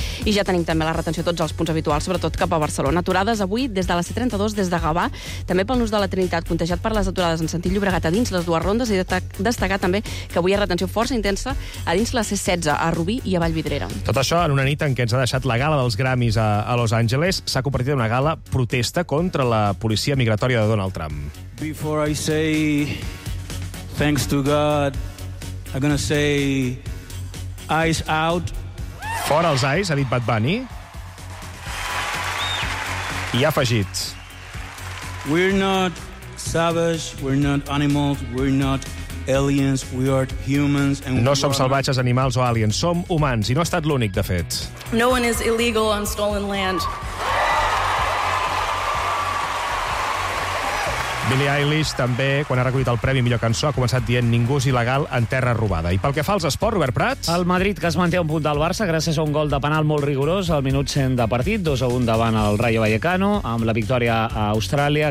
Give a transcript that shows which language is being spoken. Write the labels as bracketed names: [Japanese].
[Catalan] I ja tenim també la retenció a tots els punts habituals, sobretot cap a Barcelona. Aturades avui des de la C32, des de Gavà, també pel nus de la Trinitat, contagiat per les aturades en sentit Llobregat a dins les dues rondes, i destacar també que avui hi ha retenció força intensa a dins la C16, a Rubí i a Vallvidrera. Tot això en una nit en què ens ha deixat la gala dels Grammys a Los Angeles, s'ha convertit en una gala protesta contra la policia migratòria de Donald Trump. [English] Before I say thanks to God, I'm gonna say eyes out. [Catalan] Fora els eyes, ha dit Bad Bunny. I ha afegit. [English] We're not savage, we're not animals, we're not aliens, we are humans. And [Catalan] no som salvatges, animals o aliens, som humans. I no ha estat l'únic, de fet. [English] No one is illegal on stolen land. [Catalan] Billie Eilish també, quan ha recollit el premi millor cançó, ha començat dient ningú és il·legal en terra robada. I pel que fa als esports, Robert Prats? El Madrid, que es manté un punt del Barça gràcies a un gol de penal molt rigorós al minut 100 de partit, 2-1 davant el Rayo Vallecano, amb la victòria a Austràlia.